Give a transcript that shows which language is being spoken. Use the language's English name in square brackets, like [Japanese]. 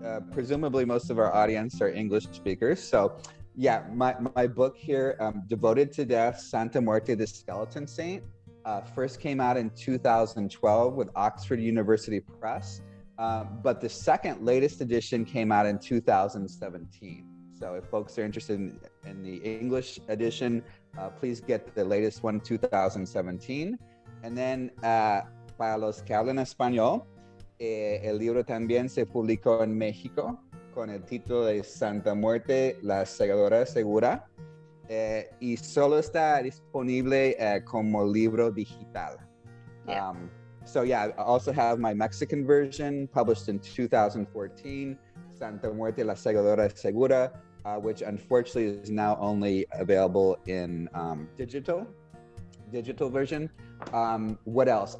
[English] Presumably most of our audience are English speakers. So yeah, my book here, Devoted to Death, Santa Muerte, the Skeleton Saint, first came out in 2012 with Oxford University Press. But the second latest edition came out in 2017. So if folks are interested in the English edition, please get the latest one, 2017. [Spanish] And then para los que hablan español, el libro también se publicó en México con el título de Santa Muerte, la Segadora Segura. Y solo está disponible como libro digital. [English] Yeah. So yeah, I also have my Mexican version published in 2014, Santa Muerte, la Segadora Segura, which unfortunately is now only available in digital version. What else?